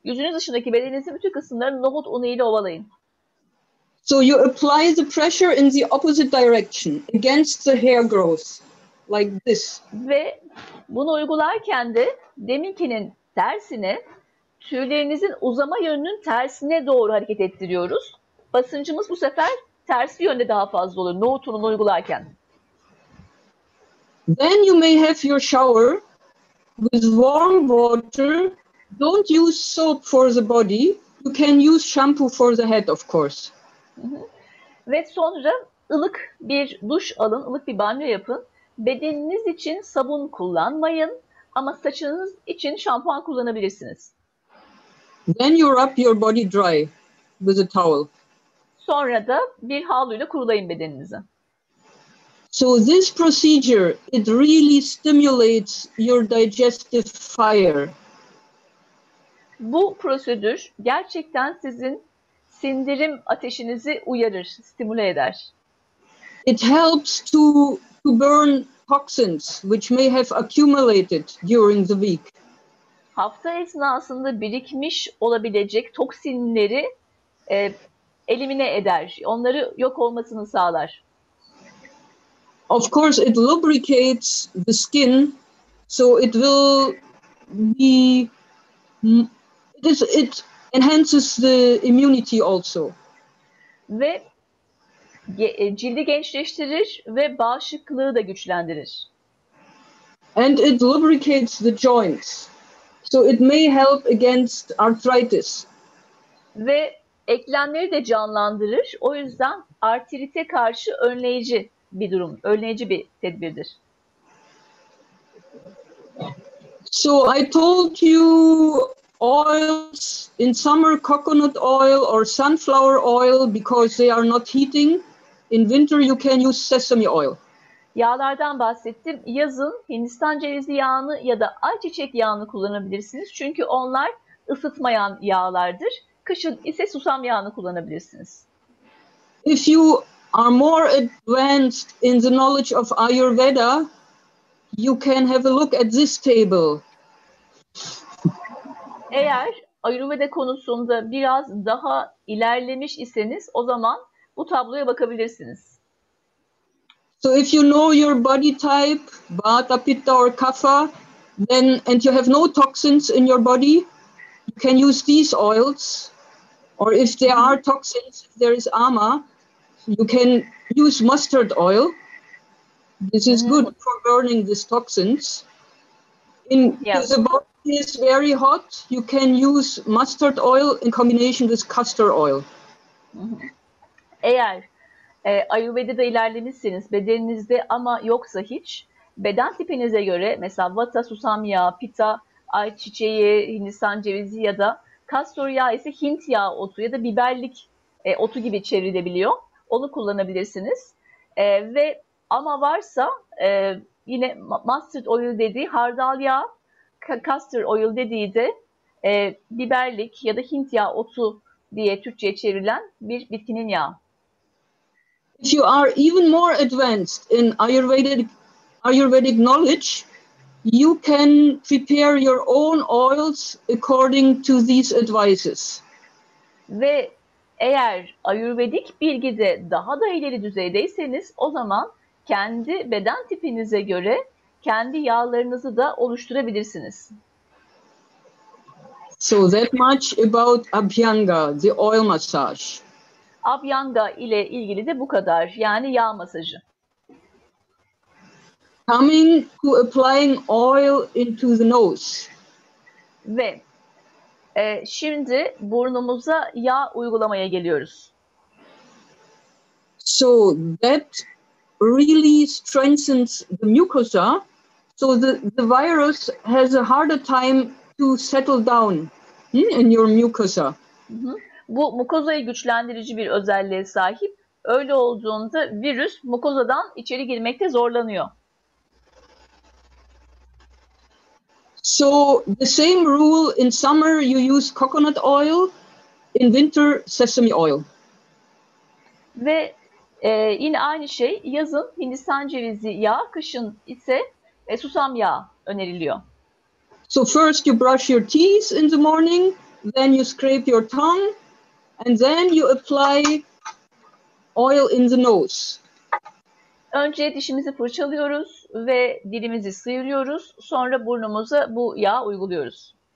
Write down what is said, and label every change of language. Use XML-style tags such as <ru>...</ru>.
<tr>Yüzünüz dışındaki bedeninizin bütün kısımlarını nohut unu ile ovalayın.</tr> <en>So you apply the pressure in the opposite direction against the hair growth, like this.</en> <tr>Ve bunu uygularken de deminkinin tersine, tüylerinizin uzama yönünün tersine doğru hareket ettiriyoruz. Basıncımız bu sefer tersi yönde daha fazla oluyor, nohut unu uygularken.</tr> <en>Then you may have your shower with warm water. Don't use soap for the body. You can use shampoo for the head, of course.</en> <tr>Ve sonra ılık bir duş alın, ılık bir banyo yapın. Bedeniniz için sabun kullanmayın ama saçınız için şampuan kullanabilirsiniz.</tr> <en>Then you wrap your body dry with a towel.</en> <tr>Sonra da bir havluyla kurulayın bedeninizi.</tr> <en>So this procedure, it really stimulates your digestive fire.</en> <tr>Bu prosedür gerçekten sizin sindirim ateşinizi uyarır, stimüle eder.</tr> <en>It helps to burn toxins which may have accumulated during the week.</en> <tr>Hafta esnasında birikmiş olabilecek toksinleri elimine eder, onları yok olmasını sağlar.</tr> <en>Of course it lubricates the skin, so it will be it enhances the immunity also.</en> <tr>Ve cildi gençleştirir ve bağışıklığı da güçlendirir.</tr> <en>And it lubricates the joints. So it may help against arthritis.</en> <tr>Ve eklemleri de canlandırır. O yüzden artrite karşı önleyici bir durum, önleyici bir tedbirdir.</tr> <en>So I told you oils in summer, coconut oil or sunflower oil, because they are not heating, In winter you can use sesame oil.</en> <tr>Yağlardan bahsettim. Yazın Hindistan cevizi yağını ya da ayçiçek yağını kullanabilirsiniz. Çünkü onlar ısıtmayan yağlardır. Kışın ise susam yağını kullanabilirsiniz.</tr> <en>If you are more advanced in the knowledge of Ayurveda, you can have a look at this table.</en> <tr>Eğer Ayurveda konusunda biraz daha ilerlemiş iseniz, o zaman bu tabloya bakabilirsiniz.</tr> <en>So if you know your body type, Vata, Pitta or Kapha, then and you have no toxins in your body, you can use these oils. Or if there are toxins, if there is ama, you can use mustard oil. This is good for burning these toxins. In the body is very hot, you can use mustard oil in combination with castor oil.</en> <tr>Eğer Ayurveda'da ilerlemişseniz, bedeninizde ama yoksa hiç, beden tipinize göre mesela vata, susam yağı, pita, ayçiçeği, Hindistan cevizi ya da kastor yağı ise Hint yağı otu ya da biberlik otu gibi çevrilebiliyor. Onu kullanabilirsiniz. Ve ama varsa yine mustard oil dediği hardal yağı, castor oil dediği de biberlik ya da Hint yağı otu diye Türkçe'ye çevrilen bir bitkinin yağı.</tr> <en>If you are even more advanced in Ayurvedic knowledge, you can prepare your own oils according to these advices.</en> <tr>Ve eğer Ayurvedik bilgide daha da ileri düzeydeyseniz, o zaman kendi beden tipinize göre kendi yağlarınızı da oluşturabilirsiniz.</tr> <en>So that much about Abhyanga, the oil massage.</en> <tr>Abhyanga ile ilgili de bu kadar. Yani yağ masajı.</tr> <en>Coming to applying oil into the nose.</en> <tr>Ve şimdi burnumuza yağ uygulamaya geliyoruz.</tr> <en>So that really strengthens the mucosa. So the virus has a harder time to settle down in your mucosa.</en> <tr>Bu mukozayı güçlendirici bir özelliğe sahip. Öyle olduğunda virüs mukozadan içeri girmekte zorlanıyor.</tr> <en>So the same rule, in summer you use coconut oil, in winter sesame oil.</en> <tr>Ve yine aynı şey, yazın Hindistan cevizi yağı, kışın ise susam yağı öneriliyor.</tr> <en>So first you brush your teeth in the morning, then you scrape your tongue, and then you apply oil in the nose.</en> <tr>Önce dişimizi fırçalıyoruz ve dilimizi sıyırıyoruz. Sonra burnumuza bu yağ uyguluyoruz.</tr>